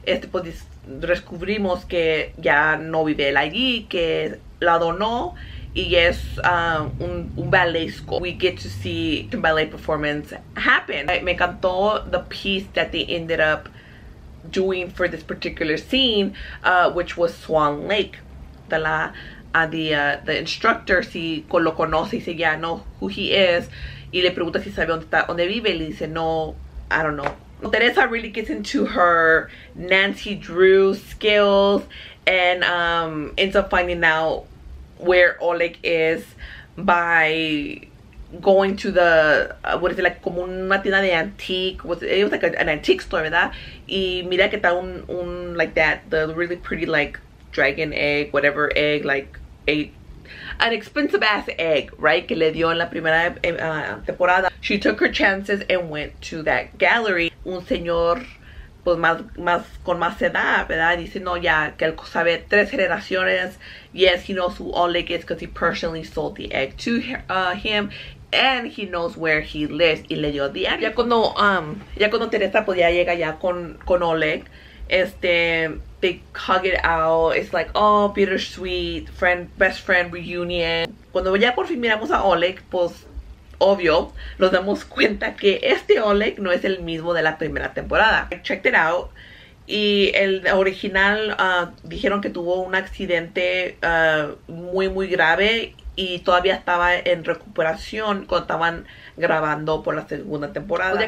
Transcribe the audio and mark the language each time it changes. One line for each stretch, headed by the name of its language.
Spanish: Pues descubrimos que ya no vive él allí, que la donó y es un ballet school.
English: We get to see the ballet performance happen.
Spanish: Me encantó
English: the piece that they ended up doing for this particular scene, which was Swan Lake.
Spanish: The instructor, si lo conoce y si
English: ya know who he is,
Spanish: y le pregunta si sabe dónde está, dónde vive, y le dice, no,
English: I don't know. Teresa really gets into her Nancy Drew skills and ends up finding out where Oleg is by going to the, what is it, like,
Spanish: como una tienda de antique,
English: it was like an antique store, ¿verdad?
Spanish: Y mira que está un,
English: like that, the really pretty, like, dragon egg, whatever egg, like, an expensive ass egg, right?
Spanish: Que le dio en la primera temporada.
English: She took her chances and went to that gallery.
Spanish: Un señor, pues más con más edad, ¿verdad? Dice, no, ya, que él sabe tres generaciones.
English: Yes, he knows who Oleg is because he personally sold the egg to him. And he knows where he lives.
Spanish: Y le dio
English: the egg.
Spanish: Ya cuando Teresa podía llegar ya con Oleg,
English: they hug it out. It's like, oh, bittersweet friend, best friend reunion.
Spanish: Cuando ya por fin miramos a Oleg, pues obvio, nos damos cuenta que Oleg no es el mismo de la primera temporada.
English: I checked it out,
Spanish: y el original dijeron que tuvo un accidente muy muy grave y todavía estaba en recuperación cuando estaban grabando por la segunda temporada.